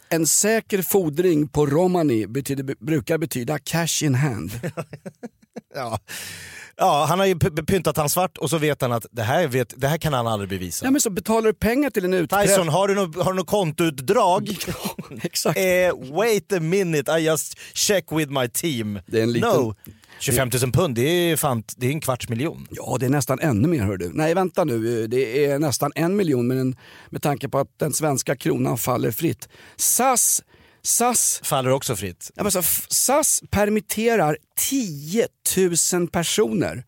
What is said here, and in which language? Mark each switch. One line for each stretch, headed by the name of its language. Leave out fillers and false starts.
Swedish: En säker fordring på Romani brukar betyda
English: cash in hand.
Swedish: Ja. Ja, han har ju pyntat han svart och så vet han att det här kan han aldrig bevisa. Ja, men så betalar du pengar till en utkräft. Tyson, har du något kontoutdrag? Ja, exakt.
English: Wait a minute, I just check with my team.
Swedish: Det är en liten...
English: No.
Swedish: 25 000 pund, det är en kvarts miljon. Ja, det är nästan ännu mer, hör du. Nej, vänta nu, det är nästan en miljon med tanke på att den svenska kronan faller fritt. SAS faller också fritt. Ja, men så, SAS permitterar 10 000 personer.